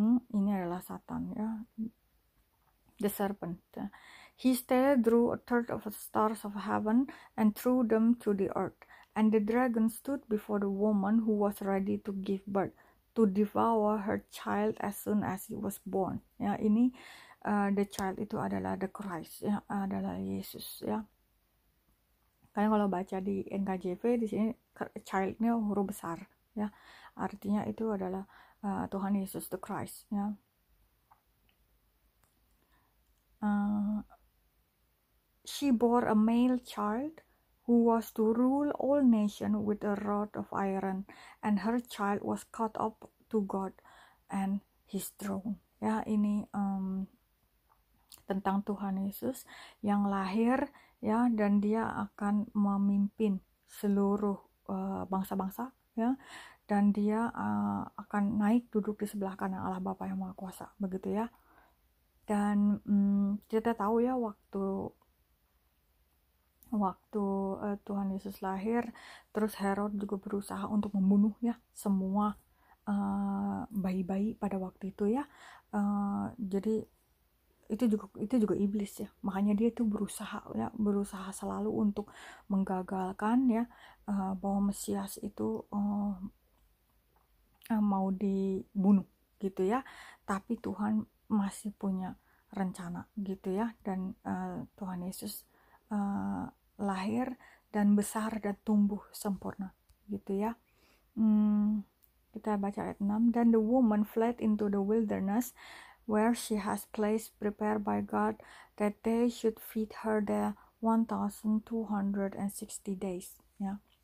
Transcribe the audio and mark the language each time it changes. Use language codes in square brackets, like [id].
[id] Ini adalah Satan ya. [en] The serpent. His tail drew a third of the stars of heaven and threw them to the earth. And the dragon stood before the woman who was ready to give birth, to devour her child as soon as he was born. [id] Ya, ini [en] the child [id] itu adalah [en] the Christ, [id] ya, adalah Yesus, ya. Karena kalau baca di NKJV di sini childnya huruf besar, ya. Artinya itu adalah Tuhan Yesus [en] the Christ, [id] ya. [en] She bore a male child who was to rule all nations with a rod of iron, and her child was caught up to God and his throne. [id] Ya, ini tentang Tuhan Yesus yang lahir ya, dan dia akan memimpin seluruh bangsa-bangsa ya, dan dia akan naik duduk di sebelah kanan Allah Bapa yang Maha Kuasa, begitu ya. Dan kita tahu ya waktu Tuhan Yesus lahir, terus Herod juga berusaha untuk membunuh ya semua bayi-bayi pada waktu itu ya. Jadi itu juga iblis ya. Makanya dia tuh berusaha ya, berusaha selalu untuk menggagalkan ya bahwa Mesias itu mau dibunuh gitu ya. Tapi Tuhan masih punya rencana gitu ya, dan Tuhan Yesus lahir dan besar dan tumbuh sempurna gitu ya. Kita baca ayat 6, dan [en] the woman fled into the wilderness where she has place prepared by God that they should feed her there 1260 days ya.